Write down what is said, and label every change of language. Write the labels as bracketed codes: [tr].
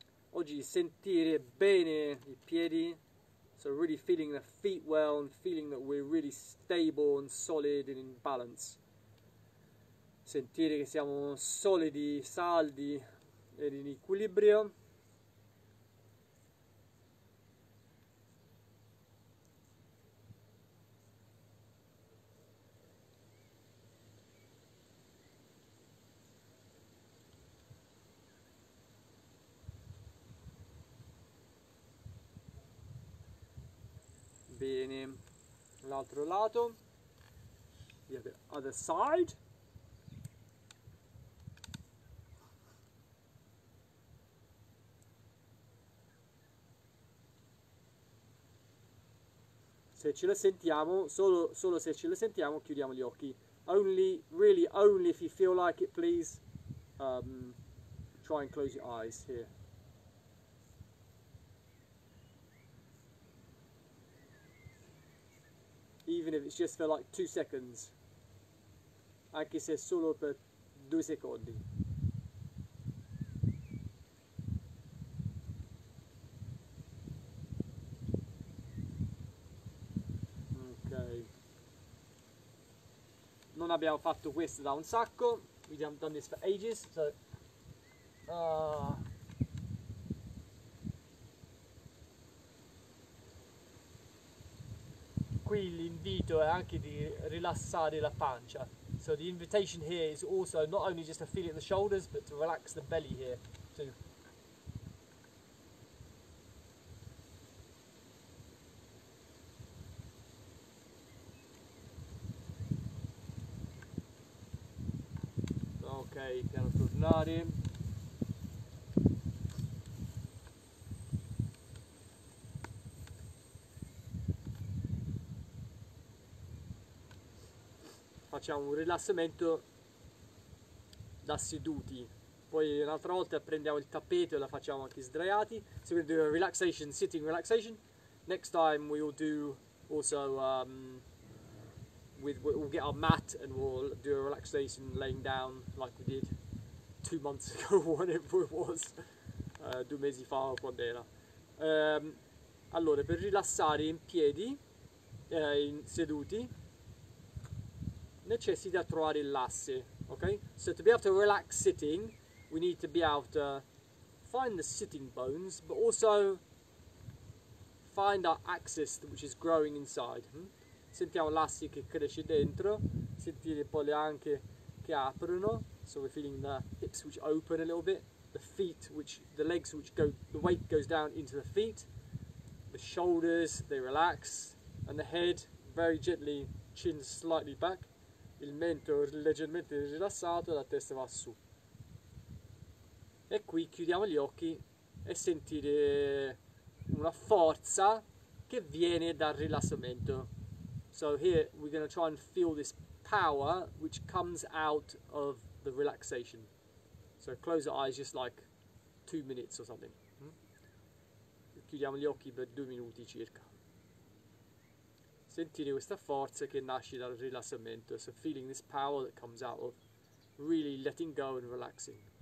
[it] Oggi sentire bene i piedi. [en] So really feeling the feet well and feeling that we're really stable and solid and in balance. [it] sentire che siamo solidi, saldi ed in equilibrio. Bene, l'altro lato, [en] the other side. [it] Se ce la sentiamo, solo se ce la sentiamo, chiudiamo gli occhi. [en] Only, really, only if you feel like it, please. Try and close your eyes here. Even if it's just for like 2 seconds. [it] Anche se è solo per 2 secondi. Non abbiamo fatto questo da un sacco. [en] We haven't done this for ages, so. [it] Qui l'invito è anche di rilassare la pancia. [en] So the invitation here is also not only just to feel it in the shoulders, but to relax the belly here too. [it] Ok, piano tornare. Facciamo un rilassamento da seduti. Poi un'altra volta prendiamo il tappeto e la facciamo anche sdraiati. [en] So we're gonna do a relaxation, sitting relaxation. Next time we will do also we'll get our mat and we'll do a relaxation laying down like we did 2 months ago, whenever it was, [it] 2 mesi fa o quando era. Allora, per rilassare in piedi, in seduti, necessita trovare l'asse, ok? [en] So to be able to relax sitting, we need to be able to find the sitting bones, but also find our axis, which is growing inside. [it] Sentiamo l'asse che cresce dentro, sentire poi le anche che aprono. [en] So we're feeling the hips which open a little bit, the feet which, the legs which go, the weight goes down into the feet, the shoulders, they relax, and the head, very gently, chin slightly back. [it] Il mento leggermente rilassato, la testa va su. E qui chiudiamo gli occhi e sentire una forza che viene dal rilassamento. [en] So here we're going to try and feel this power which comes out of the relaxation. So close your eyes just like 2 minutes or something. [it] Chiudiamo gli occhi per 2 minuti circa. Sentire questa forza che nasce dal rilassamento, [en] so feeling this power that comes out of really letting go and relaxing.